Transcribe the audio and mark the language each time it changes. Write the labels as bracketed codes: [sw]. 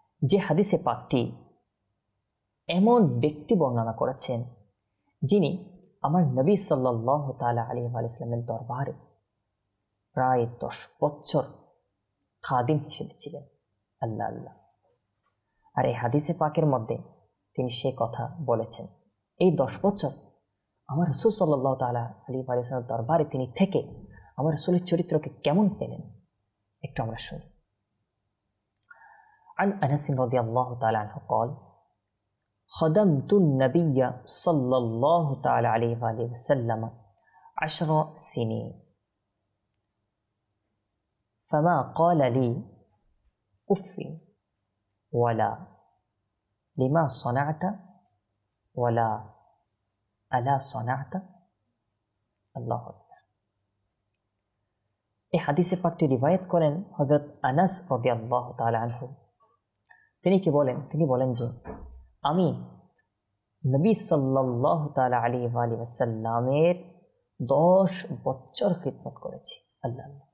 [bn] যে হাদিসে পাকটি এমন ব্যক্তি বর্ণনা করেছেন যিনি আমার নবী সাল্লাল্লাহু তাআলা আলাইহি ওয়াসাল্লামের দরবারে প্রায় 10 বছর খাদিম হিসেবে ছিলেন। আল্লাহ আল্লাহ! আর এই হাদিসে পাকের মধ্যে তিনি সে কথা বলেছেন, এই 10 বছর আমার রাসূল সাল্লাল্লাহু তাআলা আলাইহি ওয়াসাল্লামের দরবারে তিনি থেকে আমার রাসূলের চরিত্রকে কেমন পেলেন একটু আমরা শুনি। [ar] عن انس رضي الله تعالى عنه قال خدمت النبي صلى الله تعالى عليه واله وسلم 10 سنين فما قال لي اف ولا لما صنعت ولا الا صنعت الله اكبر। [bn] এই হাদিসে পাকটি রিওয়ায়াত করেন হযরত আনাস রাদিয়াল্লাহু তাআলা আনহু। তিনি কি বলেন? তিনি বলেন যে আমি নবী সাল্লাল্লাহু তাআলা আলাইহি ওয়াসাল্লামের 10 বছর খিদমত করেছি। আল্লাহ আল্লাহ!